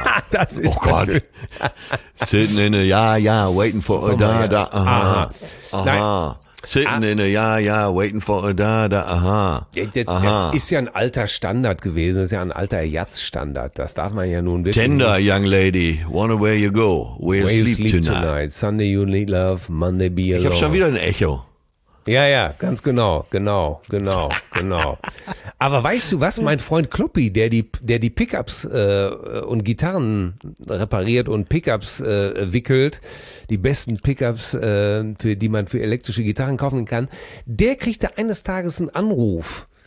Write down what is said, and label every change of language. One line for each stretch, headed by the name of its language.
German: Das ist oh Gott.
English: Sitting in a, waiting for a da, aha. Aha. Sitting in a, waiting for a da, aha.
German: Jetzt ist ja ein alter Standard gewesen, ist ja ein alter Jazz-Standard, das darf man ja nun wissen.
English: Tender, young lady, wonder where you go, where you sleep tonight. Sunday you need love, Monday be alone.
German: Ich habe schon wieder ein Echo. Ja, ganz genau. Aber weißt du was, mein Freund Kloppi, der die Pickups und Gitarren repariert und Pickups wickelt, die besten Pickups, die man für elektrische Gitarren kaufen kann, der kriegte eines Tages einen Anruf.